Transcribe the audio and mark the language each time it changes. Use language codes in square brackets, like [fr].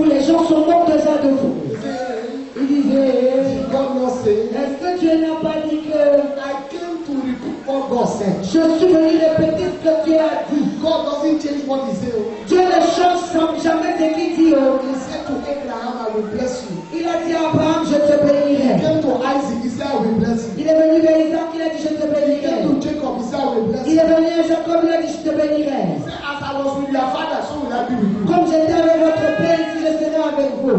[fr] Où les gens se moquent déjà de vous. Hey. Ils disaient. Hey. Est-ce que Dieu n'a pas dit que. Je suis venu répéter ce que Dieu a dit. [en] God doesn't change what he said. [fr] Dieu ne change jamais ce qu'il dit. [en] He said to Abraham, I will bless you. [fr] Il a dit à Abraham, je te bénirai. [en] He came to Isaac, he said, I will bless you. [fr] Il est venu vers Isaac, il a dit, je te bénirai. [en] He came to Jacob, he said, I will bless you. [fr] Il est venu à Jacob, il a dit, je te bénirai. [en] He said, as I was with your father, so will I be with you. [fr] Comme j'étais avec votre père, si je serai avec vous.